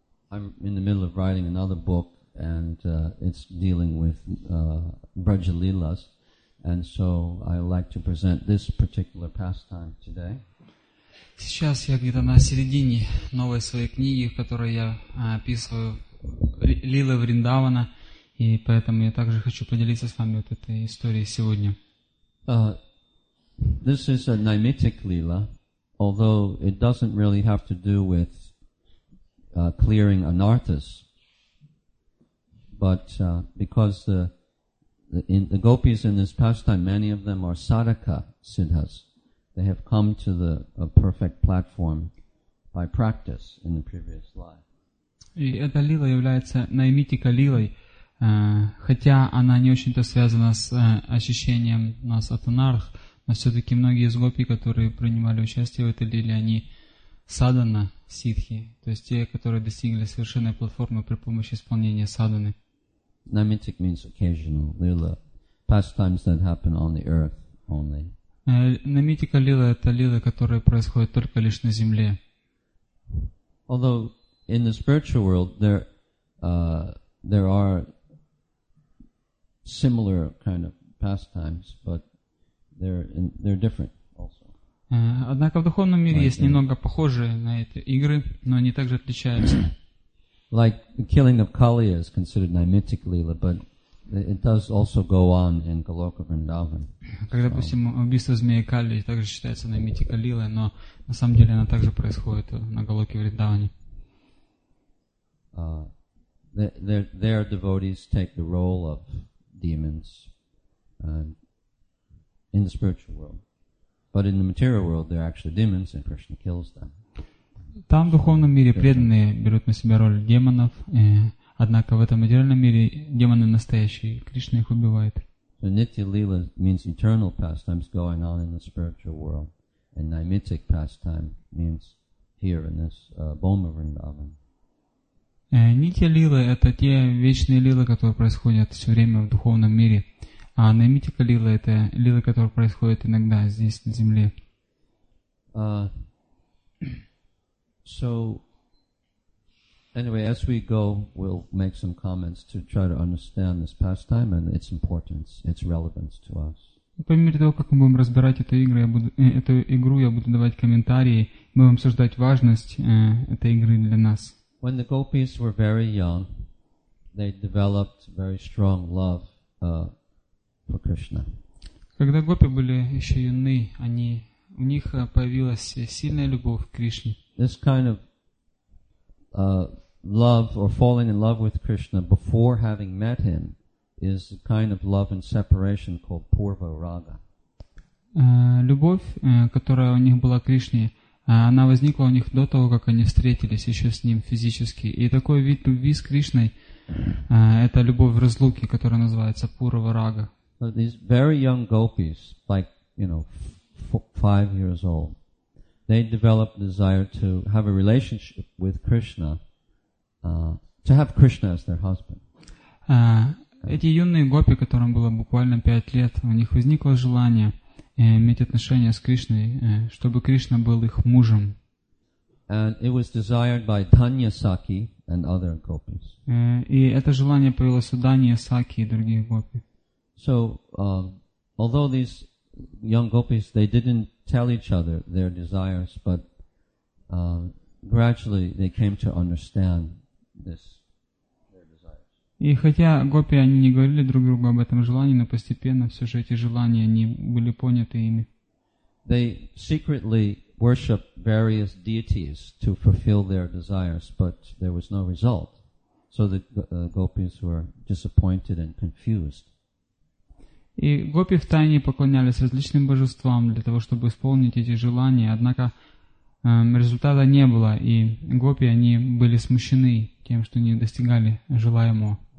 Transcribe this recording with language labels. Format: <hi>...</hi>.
<en>I'm in the middle of writing another book, and it's dealing with Braja Leelas. And so I like to present this particular pastime today.</en> <ru>Сейчас я где-то на середине новой своей книги, в которой я описываю лилы Вриндавана, и поэтому я также хочу поделиться с вами вот этой историей сегодня.</ru> <en>This is a Naimittic Leela, although it doesn't really have to do with clearing anarthas, but because the gopis in this pastime, many of them are sadhaka siddhas. They have come to a perfect platform by practice in the previous life.</en> <ru>И эта лила является наймитика лилой, хотя она не очень-то связана с ощущением нас от анарх, но все-таки многие из гопи, которые принимали участие в этой лиле, они садхана сидхи, то есть те, которые достигли совершенной платформы при помощи исполнения садханы.</ru> <en>Naimittic means occasional lila, pastimes that happen on the earth only.</en> <ru>Наймитика лила — это лила, которая происходит только лишь на земле.</ru> <en>Although in the spiritual world there there are similar kind of pastimes, but they're different also.</en> <ru>Однако в духовном мире есть немного похожие на эти игры, но они также отличаются.</ru> <en>Like the killing of Kaliya is considered Naimittic Leela, but it does also go on in Goloka Vrindavan.</en> <ru>Как, допустим, убийство змеи Калии также считается Наймитика Лилой, но на самом деле она также происходит на Голоке Вриндаване.</ru> <en>Their devotees take the role of demons in the spiritual world. But in the material world they're actually demons and Krishna kills them.</en> <ru>Там, в духовном мире, преданные берут на себя роль демонов, однако в этом материальном мире демоны настоящие, и Кришна их убивает.</ru> <en>So, Nitya Leela means eternal pastimes going on in the spiritual world, and Naimittic pastime means here in this Boma Vrindavan.</en> <ru>Нитья Лила — это те вечные лилы, которые происходят все время в духовном мире, а Наймитика Лила — это лилы, которые происходят иногда здесь, на земле.</ru> <en>So, anyway, as we go, we'll make some comments to try to understand this pastime and its importance, its relevance to us.</en> <ru>По мере того, как мы будем разбирать эту игру, я буду давать комментарии, мы будем обсуждать важность этой игры для нас.</ru> <en>When the gopis were very young, they developed very strong love for Krishna.</en> <ru>Когда гопи были еще юны, у них появилась сильная любовь к Кришне.</ru> <en>This kind of love or falling in love with Krishna before having met him is a kind of love and separation called Purva Raga.</en> <ru>Любовь, которая у них была к Кришне, она возникла у них до того, как они встретились еще с ним физически. И такой вид любви с Кришной Это любовь разлуки, которая называется Пурава Рага.</ru> <en>But these very young gopis, like, you know, 5 years old, they develop desire to have a relationship with Krishna, to have Krishna as their husband.</en> <ru>Эти юные гопи, которым было буквально 5 лет, у них возникло желание иметь отношения с Кришной, чтобы Кришна был их мужем.</ru> <en>And it was desired by Tanya Saki and other gopis.</en> <ru>И это желание появилось у Данья Саки и других гопи.</ru> <en>So, although these young gopis, they didn't tell each other their desires, but gradually they came to understand this.</en> <ru>И хотя гопи, они не говорили друг другу об этом желании, но постепенно все же эти желания, они были поняты ими.</ru> <en>They secretly worshiped various deities to fulfill their desires, but there was no result. So the gopis were disappointed and confused.</en> <ru>И гопи втайне поклонялись различным божествам для того, чтобы исполнить эти желания, однако результата не было, и гопи, они были смущены тем, что не достигали желаемого.</ru>